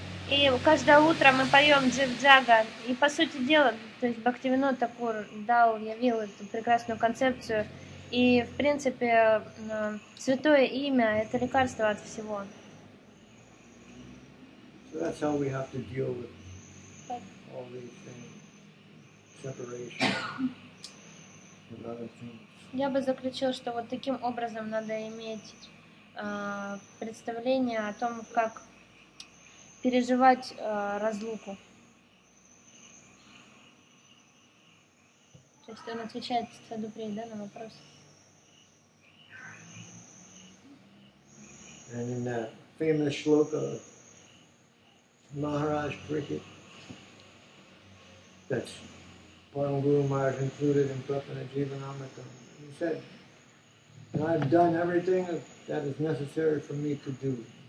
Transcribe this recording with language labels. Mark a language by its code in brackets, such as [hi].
[ru] И каждое утро мы поем джив-джага, и по сути дела, то есть Бхактивинода Такур дал, явил эту прекрасную концепцию, и в принципе святое имя – это лекарство от всего. [en] So that's how we have to deal with all these things, separation and other things. [ru] Я бы заключил, что вот таким образом надо иметь представление о том, как переживать разлуку. То есть он отвечает Саду Прей, да, на вопрос. [en] And in that famous shloka of Maharaj Parikit, that's Param Guru Maharaj included in Prapana Jivanamrita, he said, I've done everything that is necessary for me to do.